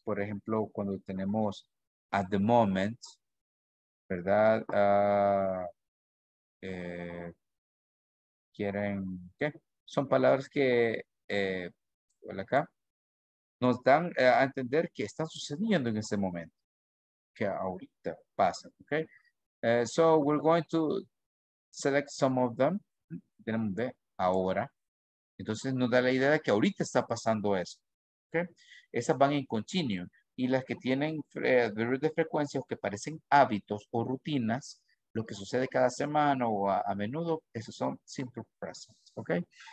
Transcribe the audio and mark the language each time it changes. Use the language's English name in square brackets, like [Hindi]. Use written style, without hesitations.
[Spanish] Por ejemplo, cuando tenemos [English] at the moment, [Spanish] ¿verdad? ¿Quieren qué? Son palabras que, hola acá, nos dan a entender que están sucediendo en ese momento, que ahorita pasan, ¿ok? [English] So we're going to select some of them. [Spanish] Tenemos de ahora. Entonces nos da la idea de que ahorita está pasando eso. ¿Okay? Esas van en continuo. Y las que tienen adverbios de frecuencia o que parecen hábitos o rutinas, lo que sucede cada semana o a menudo, esos son simple present. ¿Okay?